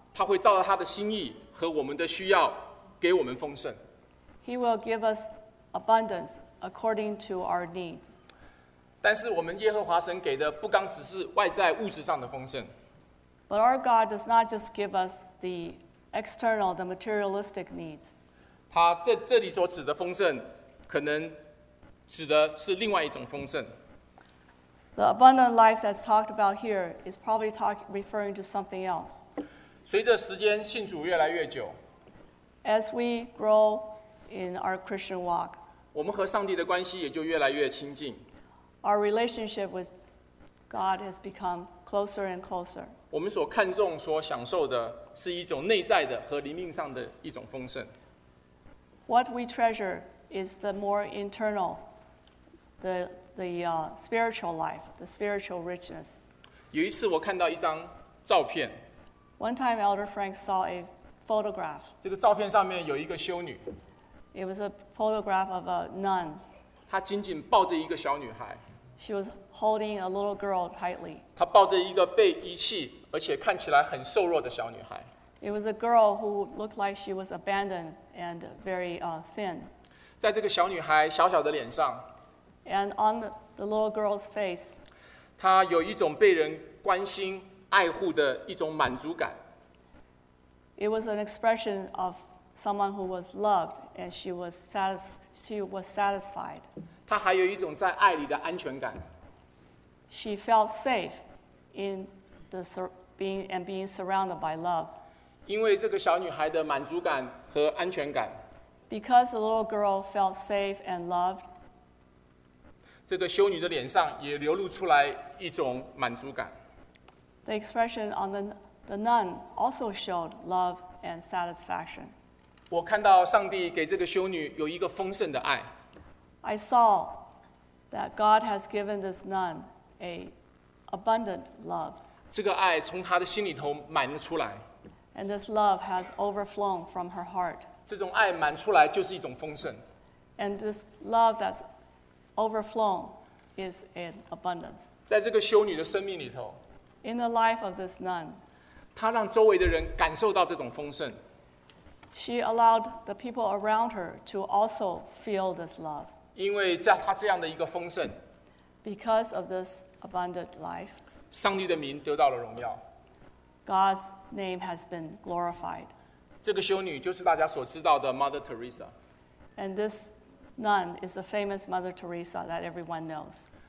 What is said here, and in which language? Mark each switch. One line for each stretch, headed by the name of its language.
Chinese: 他会照着他的心意和我们的需要给我们丰盛。
English: He will give us abundance according to our needs.
Chinese: 但是我们耶和华神给的不光只是外在物质上的丰盛。
English: But our God does not just give us the external, the materialistic needs.
Chinese: 他这里所指的丰盛，可能指的是另外一种丰盛。
English: The abundant life that's talked about here is probably referring to something else.
Chinese: 随着时间信主越来越久
English: ，As we grow in our Christian walk，
Chinese: 我们和上帝的关系也就越来越亲近。
English: Our relationship with God has become closer and closer.
Chinese: 我们所看重、所享受的是一种内在的和灵命上的一种丰盛。
English: What we treasure is the more internal, the spiritual life, the spiritual richness.
Chinese: 有一次我看到一张照片。
English: One time, Elder Frank saw a photograph.
Chinese: 这个照片上面有一个修女。
English: It was a photograph of a nun.
Chinese: 她紧紧抱着一个小女孩。
English: She was holding a little girl tightly.
Chinese: 她抱着一个被遗弃而且看起来很瘦弱的小女孩。
English: It was a girl who looked like she was abandoned and very thin.
Chinese: 在这个小女孩小小的脸上。
English: And on the little girl's face.
Chinese: 她有一种被人关心爱护的一种满足感。
English: It was an expression of someone who was loved and she was satisfied.
Chinese: 她还有一种在爱里的安全感。
English: She felt safe in being surrounded by love.
Chinese: 因为这个小女孩的满足感和安全感。
English: Because the little girl felt safe and loved.
Chinese: 这个修女的脸上也流露出来一种满足感。
English: The expression on the nun also showed love and satisfaction.
Chinese: 我看到上帝给这个修女有一个丰盛的爱。
English: I saw that God has given this nun an abundant love.
Chinese: 这个爱从她的心里头满了出来。
English: And this love has overflown from her heart.
Chinese: 这种爱满出来就是一种丰盛。
English: And this love that's overflown is an abundance.
Chinese: 在这个修女的生命里头。
English: In the life of this nun,
Chinese: 她让周围的人感受到这种丰盛。
English: She allowed the people around her to also feel this love.
Chinese: 因为在她这样的一个丰盛。
English: Because of this abundant life,
Chinese: 上帝的名得到了荣耀。
English: God's name has been glorified.
Chinese: 这个修女就是大家所知道的 Mother Teresa.
English: And this nun is the famous Mother Teresa that everyone knows.